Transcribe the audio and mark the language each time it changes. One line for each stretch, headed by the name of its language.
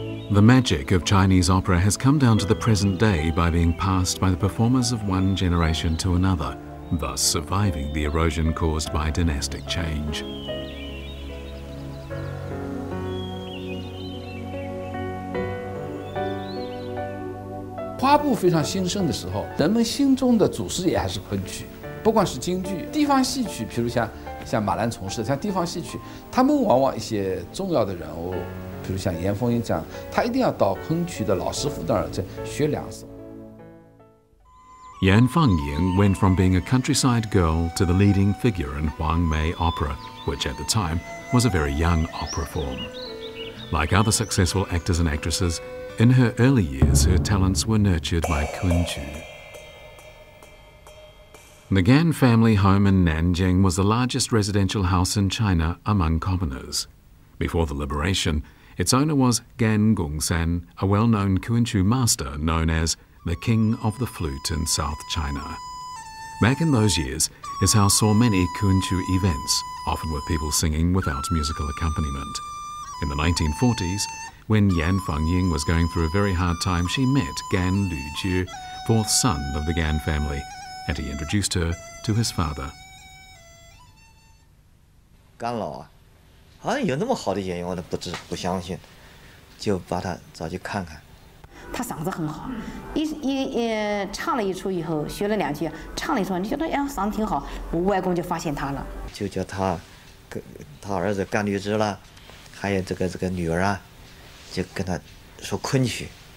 English: The magic of Chinese opera has come down to the present day by being passed by the performers of one generation to another, thus surviving the erosion caused by dynastic change. When the opera was very new, people's hearts were still Kunqu.
Chinese: 不管是京剧地方戏曲，比如像马兰从事的像地方戏曲，他们往往一些重要的人物，比如像严凤英这样，他一定要到昆曲的老师傅那儿去学两手。
English: 严凤英 went from being a countryside girl to the leading figure in Huang Mei Opera, which at the time was a very young opera form. Like other successful actors and actresses, in her early years her talents were nurtured by Kunqu. The Gan family home in Nanjing was the largest residential house in China among commoners. Before the liberation, its owner was Gan Gongsan, a well-known Kunqu master known as the King of the Flute in South China. Back in those years, his house saw many Kunqu events, often with people singing without musical accompaniment. In the 1940s, when Yan Fengying was going through a very hard time, she met Gan Luju, fourth son of the Gan family, and he introduced her to his father.
Chinese: Gan 老啊，啊有那么好的演员，我都不相信，就把他找去看看。他嗓子很好，一唱了一出以后，学了两句，唱了一出，你觉得哎嗓子挺好，我外公就发现他了，就叫他儿子甘律之了，还有这个女儿啊，就跟他说昆曲，